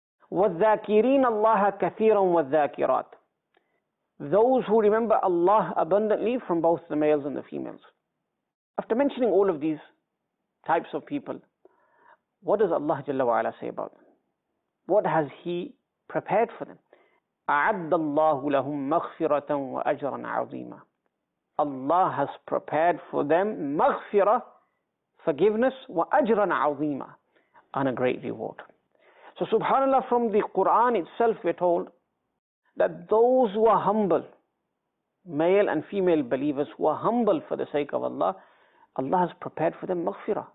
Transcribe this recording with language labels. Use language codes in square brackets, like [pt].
[ar] والذاكرين الله كثيرا والذاكرات, [en] those who remember Allah abundantly from both the males and the females. After mentioning all of these types of people, what does Allah [ar] جل وعلا [en] say about them? What has He prepared for them? [ar] أعد الله لهم مغفرة وأجرا عظيما. [en] Allah has prepared for them maghfirah, forgiveness, [ar] wa ajran azima, [en] and a great reward. So subhanAllah, from the Quran itself we're told that those who are humble, male and female believers who are humble for the sake of Allah, Allah has prepared for them maghfirah.